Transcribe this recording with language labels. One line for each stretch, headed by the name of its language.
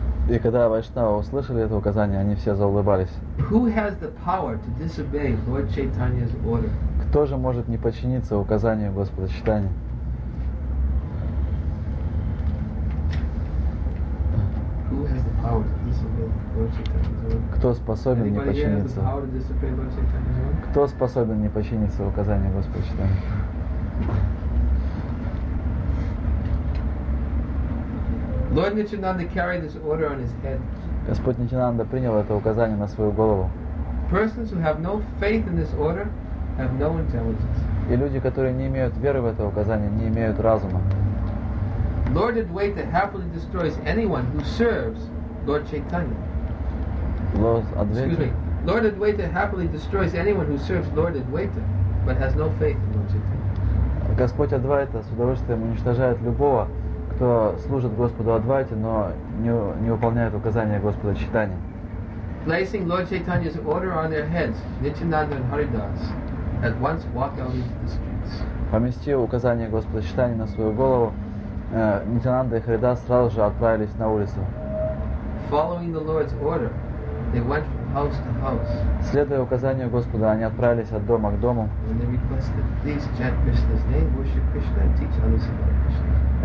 Russian: И когда Вайшнавы услышали это указание, они все заулыбались.
English: Who has the power to disobey Lord Chaitanya's order?
Russian: Кто же может не подчиниться указанию Господа Чайтаньи?
English: Who has the power to disobey Lord Chaitanya's order?
Russian: Кто способен не подчиниться?
English: Anybody has the power to disobey Lord Chaitanya's order?
Russian: Кто способен не подчиниться указанию Господа Чайтаньи?
English: Lord Nityananda carried this order on his head.
Russian: Господь Нитянанда принял это указание на свою голову.
English: Persons who have no faith in this order have no intelligence.
Russian: И люди, которые не имеют веры в это указание, не имеют разума.
English: Lord Advaita happily destroys anyone who serves Lord Chaitanya. Lord Advaita happily destroys anyone who serves Lord Advaita, but has no faith in Lord Chaitanya.
Russian: Господь Адвайта с удовольствием уничтожает любого, кто служит Господу Адвайте, но не выполняет указания Господа Чайтани.
English: Placing Lord Chaitanya's order on their heads, Nityananda and Haridas at once walk out into the streets.
Russian: Поместив указание Господа Чайтани на свою голову, Нитянанда и Харидас сразу же отправились на улицу.
English: Following the Lord's order, they went from house to house.
Russian: Следуя указанию Господа, они отправились от дома к дому.
English: And they requested, please chant Krishna's name, worship Krishna, and teach others about Krishna.